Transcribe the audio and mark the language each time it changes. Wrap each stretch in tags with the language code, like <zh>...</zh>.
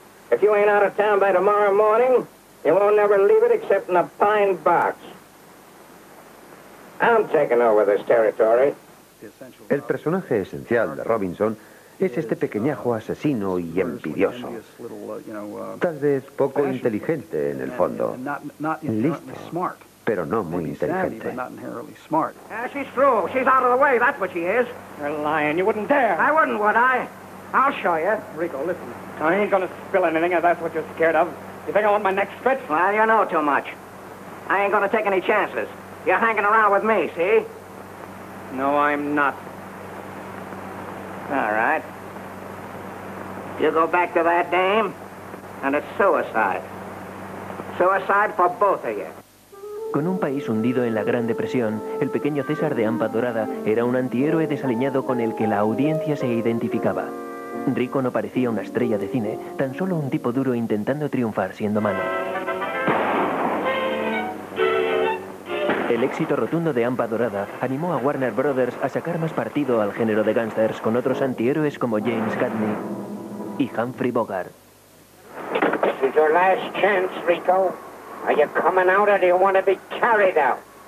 <en>If you ain't out of town by tomorrow morning, you won't never leave it except in a pine box. I'm taking over this territory.</en> <es>El personaje esencial de Robinson es este pequeñajo asesino y envidioso. Tal vez poco inteligente en el fondo. Listo, pero no muy inteligente.</es> <en>She's through. She's out of the way. That's what she is. You're lying. You wouldn't dare. I wouldn't, would I? I'll show you. Rico, listen. I ain't gonna spill anything if that's what you're scared of. You think I want my neck stretched? Well, you know too much. I ain't gonna take any chances. You're hanging around with me, see? No, I'm not. All right. You go back to that dame, and it's suicide. Suicide for both of you.</en> <es>Con un país hundido en la Gran Depresión, el pequeño César de Hampa Dorada era un antihéroe desaliñado con el que la audiencia se identificaba. Rico no parecía una estrella de cine, tan solo un tipo duro intentando triunfar siendo malo. El éxito rotundo de Hampa Dorada animó a Warner Brothers a sacar más partido al género de gángsters con otros antihéroes como James Gaffney y Humphrey Bogart.</es> <en>This is your last chance, Rico. Are you coming out or do you want to be carried out?</en>